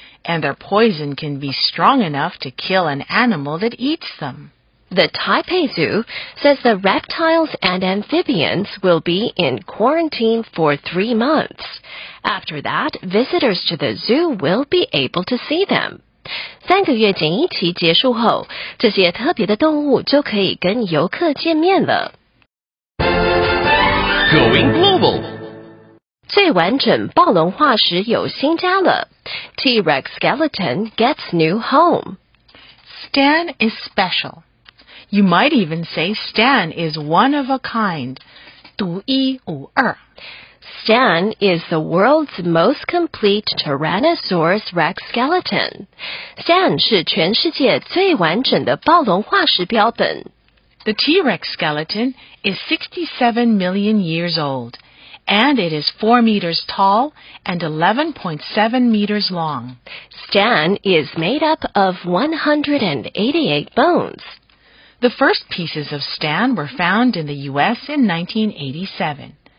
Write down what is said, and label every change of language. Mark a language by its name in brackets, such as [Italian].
[English] And their poison can be strong enough to kill an animal that eats them. The Taipei Zoo says the reptiles and amphibians will be in quarantine for 3 months. After that, visitors to the zoo will be able to see them. [Chinese] 三个月检疫期结束后，这些特别的动物就可以跟游客见面了。 [English] Going global. [Chinese] 最完整暴龙化石有新家了。 [English] T-Rex skeleton gets new home. Stan is special. You might even say Stan is one of a kind. [Chinese] 独一无二。 [English] Stan is the world's most complete Tyrannosaurus Rex skeleton. [Chinese] Stan 是全世界最完整的暴龙化石标本。 [English] The T-Rex skeleton is 67 million years old, and it is 4 meters tall and 11.7 meters long. Stan is made up of 188 bones. The first pieces of Stan were found in the U.S. in 1987.